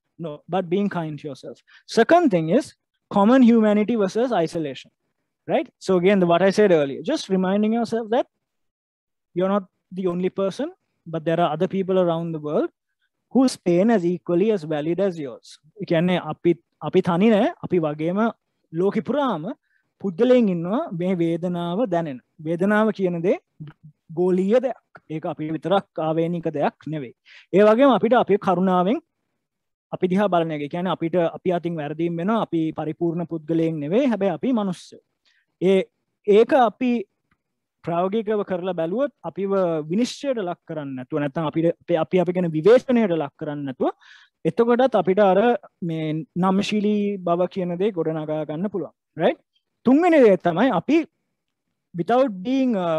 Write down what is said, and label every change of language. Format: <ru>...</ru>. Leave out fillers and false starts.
<en>No, but being kind to yourself. Second thing is common humanity versus isolation, right? So again, what I said earlier, just reminding yourself that you're not the only person, but there are other people around the world whose pain is equally as valid as yours.</en> <si>Again, api thani ne, api vagema, ලෝකෙ පුරාම පුද්දලෙන් ඉන්නවා මේ වේදනාව දැනෙන. වේදනාව කියන දේ ගෝලීය දෙයක්. ඒක අපි විතරක් ආවේනික දෙයක් නෙවෙයි. ඒ වගේම අපිට අපේ කරුණාවෙන් අපි දිහා බලන එක. ඒ කියන්නේ අපිට අපි අතින් වැරදීම් වෙනවා. අපි පරිපූර්ණ පුද්ගලයන් නෙවෙයි. හැබැයි අපි මිනිස්සු. ඒක අපි ප්‍රායෝගිකව කරලා බැලුවොත් අපිව විනිශ්චයට ලක් කරන්න නැතුව නැත්නම් අපි අපිගෙන විවේචනයට ලක් කරන්න නැතුව එතකොටත් අපිට අර මේ නම්ශීලී බව කියන දේ ගොඩනගා ගන්න පුළුවන් right තුන්වෙනි දේ තමයි අපි</si> <en>without being</en>